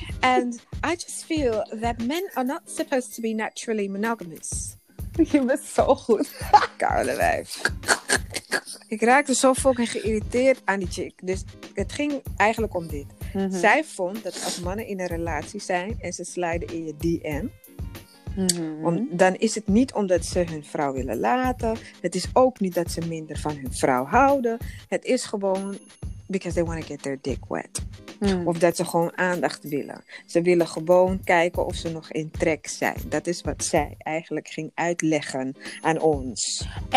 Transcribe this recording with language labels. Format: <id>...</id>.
<en>And I just feel that men are not supposed to be naturally monogamous.</en> <nl>Je bent zo goed. Koude wijf. Ik raakte zo fucking geïrriteerd aan die chick. Dus het ging eigenlijk om dit. Mm-hmm. Zij vond dat als mannen in een relatie zijn en ze sliden in je DM... Mm-hmm. Dan is het niet omdat ze hun vrouw willen laten. Het is ook niet dat ze minder van hun vrouw houden. Het is gewoon</nl> <en>because they want to get their dick wet. Mm.</en> <nl>Of dat ze gewoon aandacht willen. Ze willen gewoon kijken of ze nog in trek zijn. Dat is wat zij eigenlijk ging uitleggen aan ons.</nl>